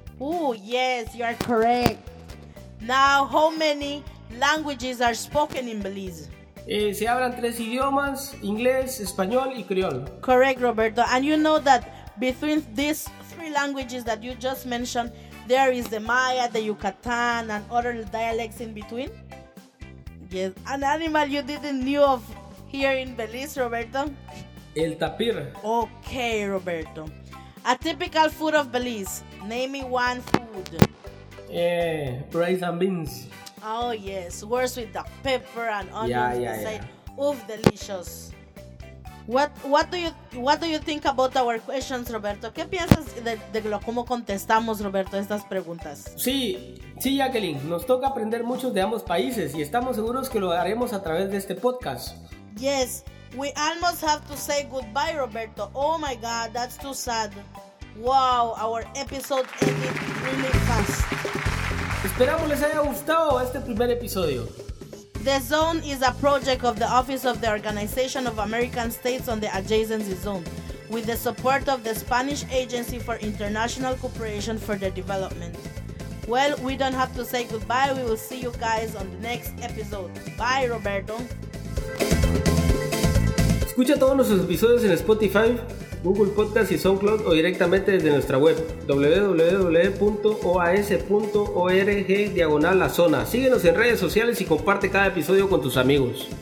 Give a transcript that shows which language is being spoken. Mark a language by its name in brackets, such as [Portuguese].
[English] Oh, yes, you are correct. Now, how many languages are spoken in Belize? [Spanish] Se hablan tres idiomas, inglés, español y criol. [English] Correct, Roberto. And you know that between these three languages that you just mentioned, there is the Maya, the Yucatan, and other dialects in between? Yes. An animal you didn't know of here in Belize, Roberto? [Spanish] El tapir. [English] Okay, Roberto. A typical food of Belize. Name me one food. Rice and beans. Oh, yes. Works with the pepper and onions inside. Yeah. Oof, delicious. What do you think about our questions, Roberto? [Spanish] ¿Qué piensas de lo cómo contestamos, Roberto, estas preguntas? Sí, Jacqueline, nos toca aprender mucho de ambos países y estamos seguros que lo haremos a través de este podcast. [English] Yes, we almost have to say goodbye, Roberto. Oh my God, that's too sad. Wow, our episode ended really fast. [Spanish] Esperamos les haya gustado este primer episodio. [English] The Zone is a project of the Office of the Organization of American States on the Adjacency Zone, with the support of the Spanish Agency for International Cooperation for the Development. Well, we don't have to say goodbye. We will see you guys on the next episode. Bye, Roberto. [Spanish] Escucha todos nuestros episodios en Spotify, Google Podcasts y SoundCloud o directamente desde nuestra web www.oas.org/lazona. Síguenos en redes sociales y comparte cada episodio con tus amigos.